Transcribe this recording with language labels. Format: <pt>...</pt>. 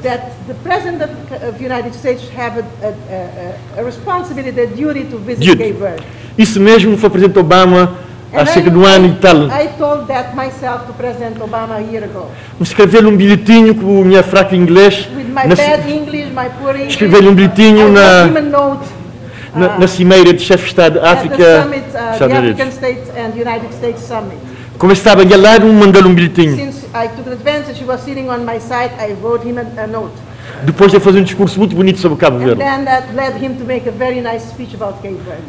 <en>That the President of the United States have a responsibility, a duty to visit Cape Verde.</en> <pt>Isso mesmo foi o Presidente Obama há cerca de um ano e tal.</pt> <en>I told that myself to President Obama a year ago.</en> <pt>Escrever-lhe um bilhetinho com a minha fraca inglês.</pt> <en>With my bad English, my poor English.</en> <pt>Escrever-lhe um bilhetinho na cimeira de chefe de Estado África.</pt> <en>At the summit, the African States and United States Summit.</en> <pt>Como estava a galar, mandou-lhe um bilhetinho.</pt> <en>Since I took advantage, he was sitting on my side, I wrote him a note.</en> <pt>Depois de fazer um discurso muito bonito sobre Cabo Verde.</pt> <en>And then that led him to make a very nice speech about Cape Verde.</en>